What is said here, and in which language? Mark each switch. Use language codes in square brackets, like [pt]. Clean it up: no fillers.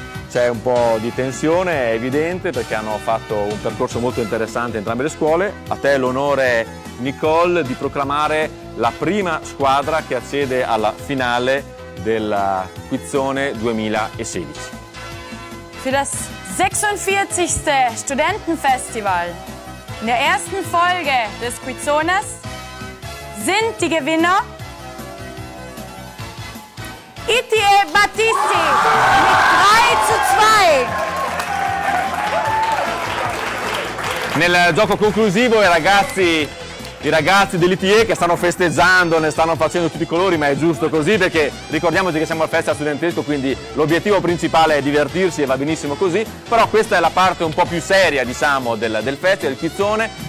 [it] C'è un po' di tensione, è evidente, perché hanno fatto un percorso molto interessante entrambe le scuole. A te l'onore, Nicole, di proclamare la prima squadra che accede alla finale della quizzone 2016. [de] Für das 46. Studentenfestival in der ersten Folge des Quizzones sind die Gewinner ITE Battisti mit 3-2. [it] Nel gioco conclusivo i ragazzi dell'ITE, che stanno festeggiando, ne stanno facendo tutti i colori, ma è giusto così, perché ricordiamoci che siamo al Festival Studentesco, quindi l'obiettivo principale è divertirsi e va benissimo così. Però questa è la parte un po' più seria, diciamo, del festival, del quizzone.